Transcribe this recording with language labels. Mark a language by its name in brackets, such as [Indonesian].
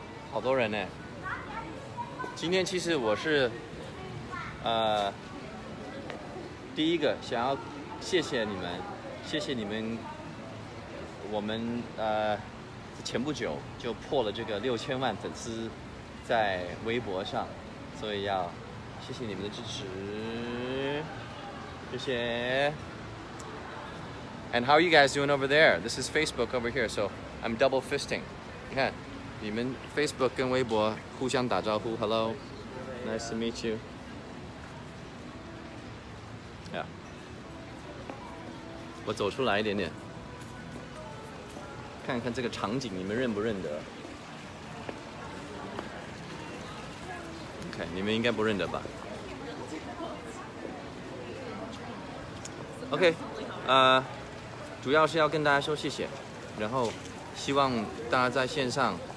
[Chinese] 好多人呢。今天其实我是第一个想要谢谢你们，谢谢你们，我们前不久就破了这个6000万粉丝。在微博上，所以要谢谢你们的支持，谢谢。 [English] And how are you guys doing over there? This is Facebook over here, so I'm double fisting. [Chinese] 你看，你们 Facebook 跟微博互相打招呼 ， [English] Hello， nice to meet you。 Yeah， [Chinese] 我走出来一点点，看看这个场景，你们认不认得 ？OK， 你们应该不认得吧 ？OK， 主要是要跟大家说谢谢，然后希望大家在线上。